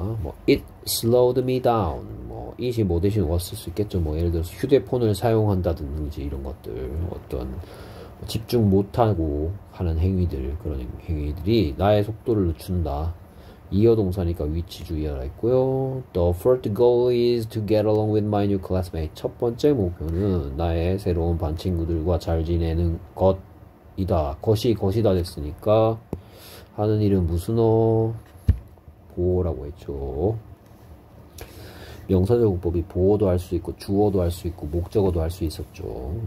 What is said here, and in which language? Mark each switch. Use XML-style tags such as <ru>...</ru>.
<ko>뭐</ko> <en>it slowed me down.</en> <ko>뭐 it이 뭐 대신 was 쓸수 있겠죠. 뭐 예를 들어서 휴대폰을 사용한다든지 이런 것들 어떤 집중 못하고 하는 행위들 그런 행위들이 나의 속도를 늦춘다. 이어 동사니까 위치주의하라 했고요.</ko> <en>The first goal is to get along with my new classmate.</en> <ko>첫 번째 목표는 나의 새로운 반 친구들과 잘 지내는 것이다. 것이다 됐으니까 하는 일은 무슨어? 보어라고 했죠. 명사적용법이 보어도 할수 있고 주어도 할수 있고 목적어도 할수 있었죠.</ko>